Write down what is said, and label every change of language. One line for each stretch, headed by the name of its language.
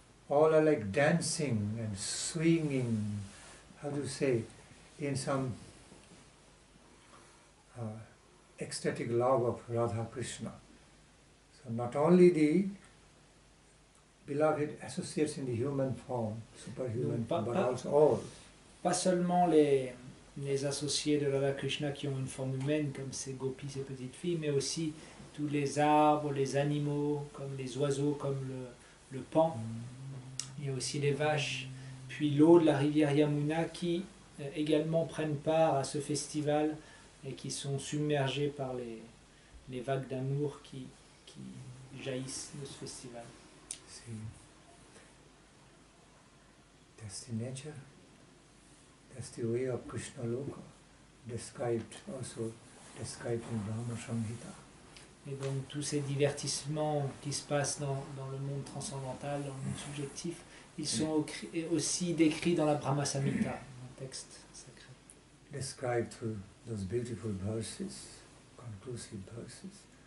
English: All are like dancing and swinging, how to say, in some ecstatic love of Radha Krishna. So not only the beloved associates in the human form, superhuman, but also all.
French: Pas seulement les associés de Radha Krishna qui ont une forme humaine, comme ces gopis, ces petites filles, mais aussi tous les arbres, les animaux, comme les oiseaux, comme le paon, et aussi les vaches, puis l'eau de la rivière Yamuna qui également prennent part à ce festival et qui sont submergés par les vagues d'amour qui jaillissent de ce festival.
English: That's the nature. That's the way of Krishna Loka, described also described in Brahma Samhita.
French: Et donc tous ces divertissements qui se passent dans le monde transcendantal, dans le monde subjectif, ils sont aussi décrits dans la Brahma Samhita, un texte sacré.
English: Described through those beautiful verses, conclusive verses.